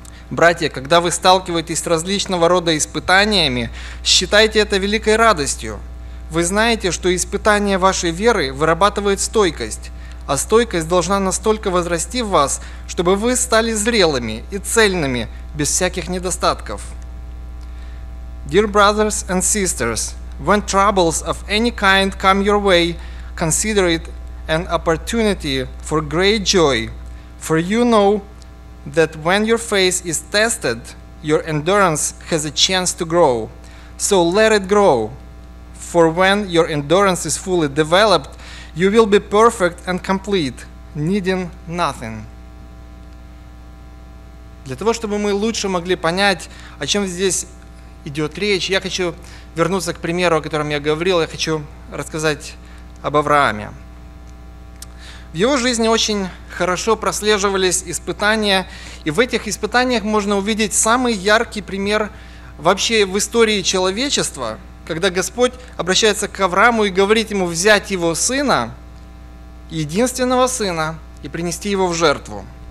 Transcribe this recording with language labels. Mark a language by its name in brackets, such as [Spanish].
[Russian] Братья, когда вы сталкиваетесь с различного рода испытаниями, считайте это великой радостью. Вы знаете, что испытание вашей веры вырабатывает стойкость, а стойкость должна настолько возрасти в вас, чтобы вы стали зрелыми и цельными, без всяких недостатков. [English] Dear brothers and sisters, when troubles of any kind come your way, consider it an opportunity for great joy, for you know that when your faith is tested, your endurance has a chance to grow. So let it grow, for when your endurance is fully developed, you will be perfect and complete, needing nothing. [Russian] Для того, чтобы мы лучше могли понять, о чем здесь идет речь, я хочу вернуться к примеру, о котором я говорил, я хочу рассказать об Аврааме. В его жизни очень хорошо прослеживались испытания, и в этих испытаниях можно увидеть самый яркий пример вообще в истории человечества, когда Господь обращается к Аврааму и говорит ему взять его сына, единственного сына, и принести его в жертву.